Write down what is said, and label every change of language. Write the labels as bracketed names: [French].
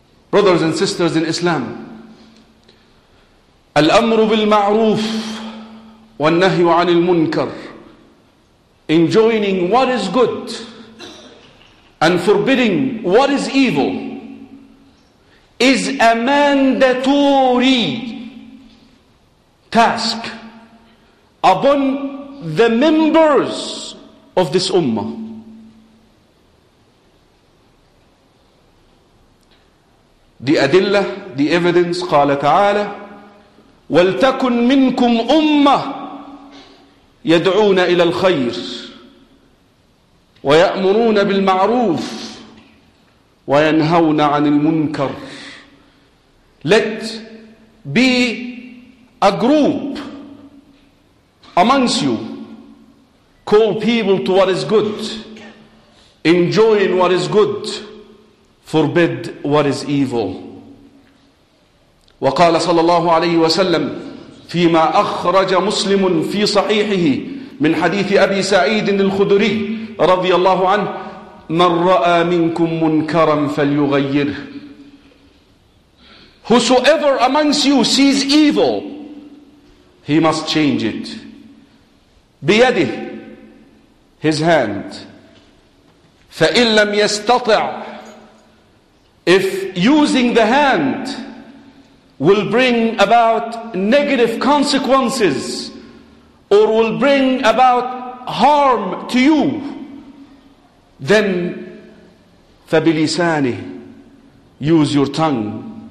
[English] Brothers and sisters in Islam, [Arabic] الأمر بالمعروف والنهي عن المنكر, [English] enjoining what is good and forbidding what is evil, is a mandatory task upon the members of this ummah. The adilla, the evidence, [Arabic] قال تعالى وَلْتَكُنْ مِنْكُمْ أُمَّةٌ يَدْعُونَ إِلَى الْخَيْرِ وَيَأْمُرُونَ بِالْمَعْرُوفِ وَيَنْهَوْنَ عَنِ الْمُنْكَرِ. [English] Let be a group amongst you, call people to what is good, enjoin what is good, forbid what is evil. [Arabic] وقال صلى الله عليه وسلم فيما أخرج مسلم في صحيحه من حديث أبي سعيد الخدري رضي الله عنه من رأى منكم منكرا فليغيره. [English] Whosoever amongst you sees evil, he must change it. [Arabic] بيده, [English] his hand. [Arabic] فإن لم يستطع, [English] if using the hand will bring about negative consequences or will bring about harm to you, then [Arabic] فَبِلِسَانِهِ, [English] use your tongue.